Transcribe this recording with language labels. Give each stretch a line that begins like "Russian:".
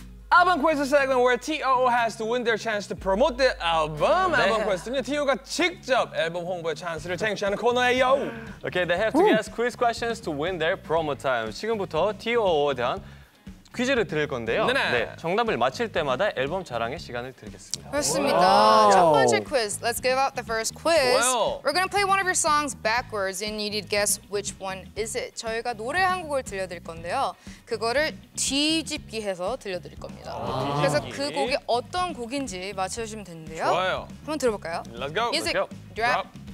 English: Album quiz segment where T.O.O. has to win their chance to promote the album.
Korean: 네. Album quiz는요, T.O.O.가 직접 앨범 홍보의 찬스를 쟁취하는 코너예요.
English: Okay, they have to ask quiz questions to win their promo time.
Korean: 지금부터 T.O.O.에 대한 퀴즈를 드릴 건데요. 네네. 네, 정답을 맞힐 때마다 앨범 자랑의 시간을 드리겠습니다. 그렇습니다. 첫 번째 퀴즈,
English: let's give out the first quiz.
Korean: 좋아요.
English: We're gonna play one of your songs backwards and you need to guess which one is it.
Korean: 저희가 노래 한 곡을 들려드릴 건데요. 그거를 뒤집기 해서 들려드릴 겁니다. 뒤집기. 그래서 그 곡이 어떤 곡인지 맞춰주시면 되는데요. 좋아요. 한번 들어볼까요?
English: Let's go! Music, let's go. Drop!